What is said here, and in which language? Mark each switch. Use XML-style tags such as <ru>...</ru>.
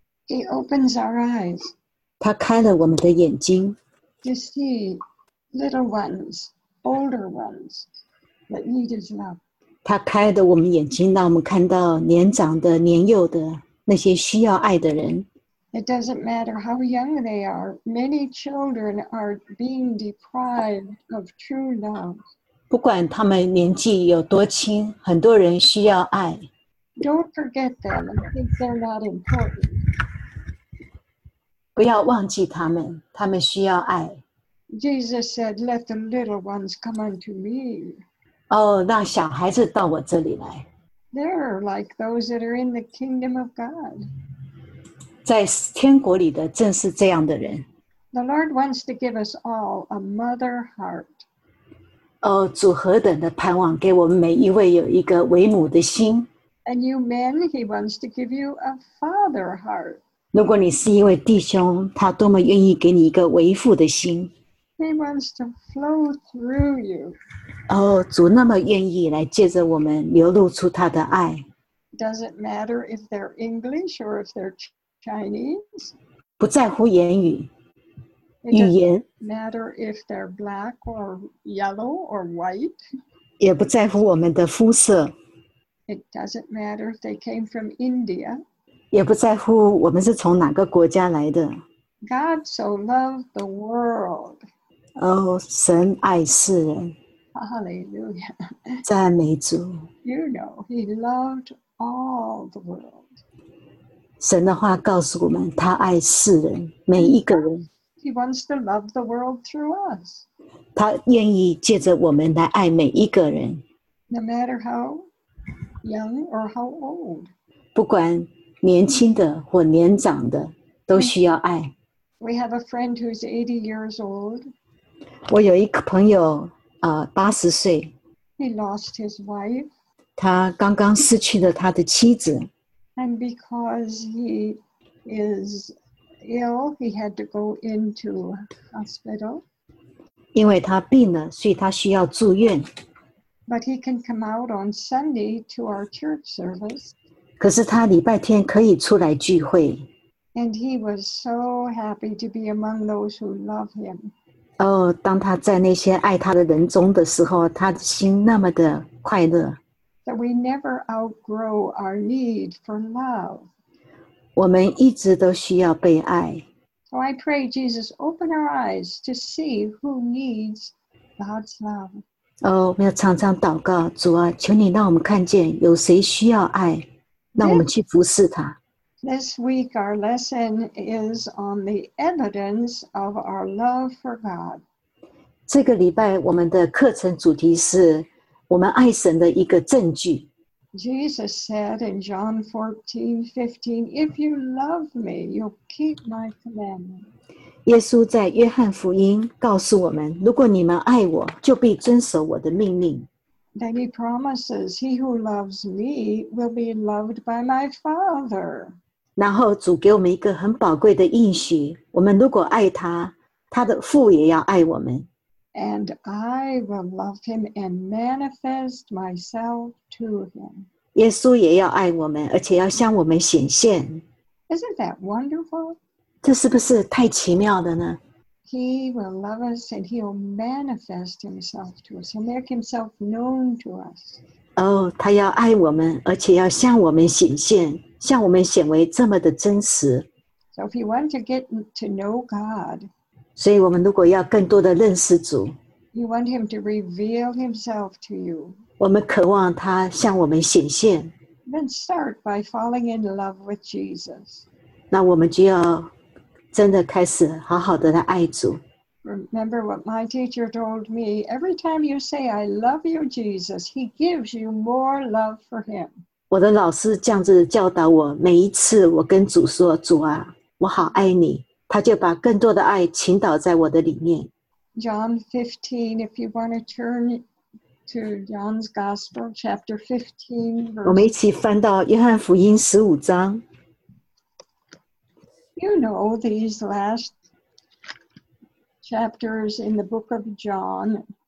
<en>He opens our eyes.</en> <zh>他开了我们的眼睛。</zh> <en>You see little ones, older ones that need his love.</en> <zh>他开了我们眼睛，让我们看到年长的、年幼的那些需要爱的人。</zh> <en>It doesn't matter how young they are. Many children are being deprived of true love.</en> <zh>不管他们年纪有多轻，很多人需要爱。</zh> <en>Don't forget them and think they're not important.</en> <zh>不要忘记他们，他们需要爱。</zh> <en>Jesus said, "Let the little ones come unto me."</en> <zh>让小孩子到我这里来。</zh> <en>They're like those that are in the kingdom of God.</en> <zh>在天国里的正是这样的人。</zh> <en>The Lord wants to give us all a mother heart.</en> <zh>主何等的盼望，给我们每一位有一个为母的心。</zh> <en>And you men, He wants to give you a father heart.</en> <zh>如果你是一位弟兄，他多么愿意给你一个为父的心。</zh> <en>He wants to flow through you.</en> <zh>主那么愿意来借着我们流露出他的爱。</zh> <en>Does it matter if they're English or if they're Chinese?</en> <zh>不在乎言语。语言。</zh> <en>It doesn't matter if they're black or yellow or white.</en> <zh>也不在乎我们的肤色。</zh> <en>It doesn't matter if they came from India.</en> <zh>也不在乎我们是从哪个国家来的。</zh> <en>God so loved the world.</en> <zh>神爱世人。</zh> <en>Hallelujah.</en> <zh>赞美主。</zh> <en>You know, he loved all the world.</en> <zh>神的话告诉我们，他爱世人，每一个人。</zh> <en>He wants to love the world through us.</en> <zh>他愿意借着我们来爱每一个人。</zh> <en>No matter how young or how old.</en> <zh>不管年轻的或年长的都需要爱。</zh> <en>We have a friend who's 80 years old.</en> <zh>我有一个朋友，80岁。</zh> <en>He lost his wife.</en> <zh>他刚刚失去了他的妻子。</zh> <en>And because he is ill, he had to go into hospital.</en> <zh>因为他病了，所以他需要住院。</zh> <en>But he can come out on Sunday to our church service.</en> <zh>可是他礼拜天可以出来聚会。</zh> <en>And he was so happy to be among those who love him.</en> <zh>哦，当他在那些爱他的人中的时候，他心那么的快乐。</zh> <en>That we never outgrow our need for love.</en> <zh>我们一直都需要被爱。</zh> <en>So I pray, Jesus, open our eyes to see who needs God's love.</en> <zh>哦，我要常常祷告，主啊，求你让我们看见有谁需要爱，让我们去服侍他。</zh> <en>This week, our lesson is on the evidence of our love for God.</en> <zh>这个礼拜我们的课程主题是我们爱神的一个证据。</zh> <en>Jesus said in John 14:15, If you love me, you'll keep my commandments.</en> <zh>耶稣在约翰福音告诉我们，如果你们爱我，就必遵守我的命令。</zh> <en>Then he promises, he who loves me will be loved by my Father.</en> <zh>然后主给我们一个很宝贵的应许，我们如果爱他，他的父也要爱我们。</zh> <en>And I will love him and manifest myself to him.</en> <zh>耶稣也要爱我们，而且要向我们显现。</zh> <en>Isn't that wonderful?</en> <zh>这是不是太奇妙的呢？</zh> <en>He will love us and he will manifest himself to us. He'll make himself known to us.</en> <zh>哦，他要爱我们，而且要向我们显现，向我们显为这么的真实。</zh> <en>So if you want to get to know God,</en> <zh>所以我们如果要更多的认识主，</zh> <en>you want him to reveal himself to you.</en> <zh>我们渴望他向我们显现。</zh> <en>Then start by falling in love with Jesus.</en> <zh>那我们就要真的开始好好的来爱主。</zh> <en>Remember what my teacher told me. Every time you say, I love you, Jesus, he gives you more love for him.</en> <zh>我的老师这样子教导我，每一次我跟主说，主啊，我好爱你，他就把更多的爱倾倒在我的里面。</zh> <en>John 15, if you want to turn to John's Gospel, chapter 15. Verse...</en> <zh>我们一起翻到约翰福音十五章。</zh> <en>You know these last chapters in the book of John.</en>